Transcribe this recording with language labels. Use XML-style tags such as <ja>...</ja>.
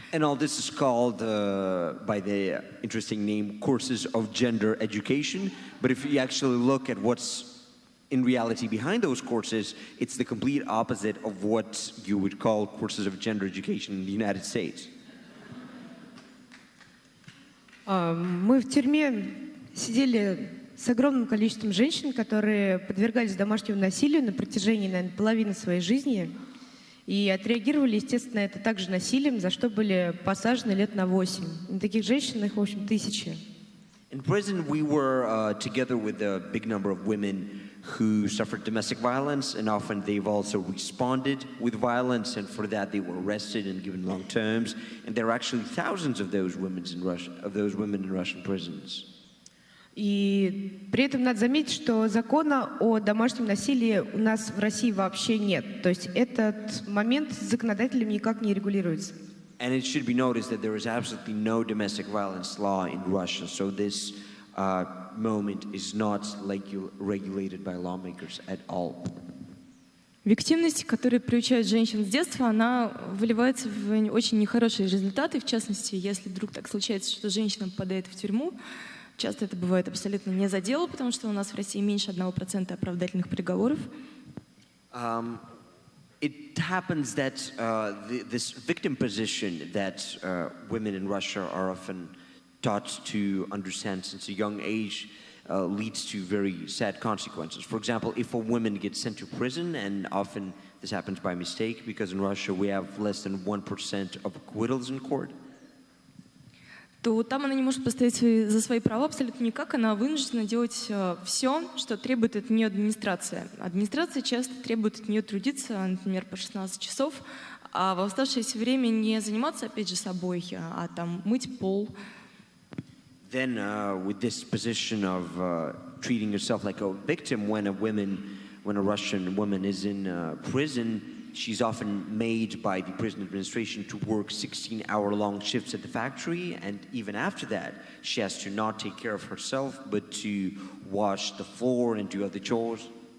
<en>And all this is called by the interesting name courses of gender education, but if you actually look at what's in reality behind those courses, it's the complete opposite of what you would call courses of gender education in the United States.</en> <ru>Мы в тюрьме сидели с огромным количеством женщин, которые подвергались домашнему насилию на протяжении, наверное, половины своей жизни и отреагировали, естественно, это также насилием, за что были посажены лет на 8. Таких женщин, их, в общем, тысячи.</ru> <en>In prison, we were together with a big number of women who suffered domestic violence, and often they've also responded with violence, and for that they were arrested and given long terms. And there are actually thousands of those women in Russia, of those women in Russian prisons.</en> <ru>И при этом надо заметить, что закона о домашнем насилии у нас в России вообще нет. То есть этот момент законодателем никак не регулируется.</ru> <en>And it should be noticed that there is absolutely no domestic violence law in Russia. So this moment is not regulated by lawmakers at all.</en> <ru>Виктимность, которую приучают женщин с детства, она выливается в очень нехорошие результаты. В частности, если вдруг так случается, что женщина попадает в тюрьму, часто это бывает абсолютно не за дело, потому что у нас в России меньше 1% оправдательных приговоров.</ru> <en>It happens that this victim position that women in Russia are often taught to understand since a young age leads to very sad consequences. For example, if a woman gets sent to prison, and often this happens by mistake, because in Russia we have less than 1% of acquittals in court.</en> <ru>то там она не может постоять за свои права абсолютно никак. Она вынуждена делать все, что требует от нее администрация. Администрация часто требует от нее трудиться, например, по 16 часов, а в оставшееся время не заниматься, опять же, собой, а там мыть пол.</ru> <en>Then with this position of treating yourself like a victim, when a Russian woman is in prison, she's often made by the prison administration to work 16-hour-long shifts at the factory, and even after that, she has to not take care of herself, but to wash the floor and do other chores.</en>